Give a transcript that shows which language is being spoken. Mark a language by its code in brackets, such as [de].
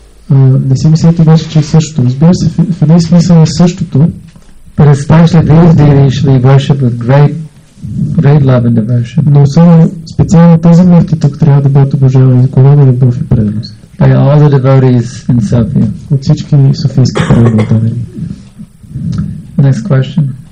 [bg] Не си мислите вече, че е същото. Разбира се, в един смисъл е същото. [en] But especially these deities should be worshipped with great love and devotion. [bg] Но само специално тези мъртви тук трябва да бъдат обожавани с голяма любов и преданост. [en] By all the devotees in Sofia. [bg] От всички софийски преданост. [en] Next question.